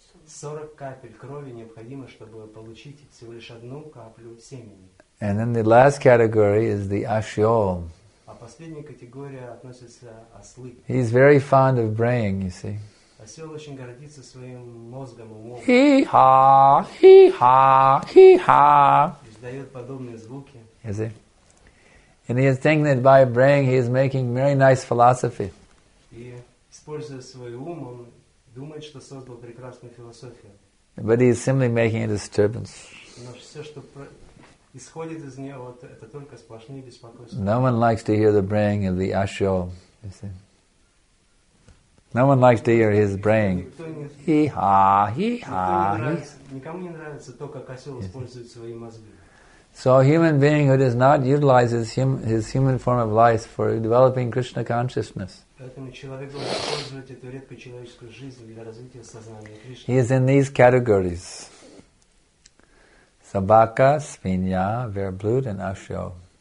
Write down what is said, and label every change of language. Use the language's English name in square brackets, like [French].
[Russian] 40 капель крови необходимо, чтобы получить всего лишь одну каплю семени. [English] And then the last category is the ashyol. [Russian] А последняя категория относится ослы. [English] He is very fond of braying, you see. [Russian] Осел очень гордится своим мозгом, умом. Хи-ха, хи-ха, хи-ха. Издает подобные звуки. [English] You see? And he is thinking that by braying he is making very nice philosophy. [Russian] И используя свой ум, он думает, что создал прекрасную философию. [English] But he is simply making a disturbance. [Russian] Но все, что исходит из нее, вот это только сплошные беспокойства. [English] No one likes to hear the braying of the ashyol. You see. No one likes to hear his braying. Hee-ha, hee-ha. [Russian] Никому не нравится то, как осел использует свои мозги. [English] So a human being who does not utilize his human form of life for developing Krishna consciousness, he is in these categories. [Russian] Sabaka, Svinya, Verblud and Ashyo.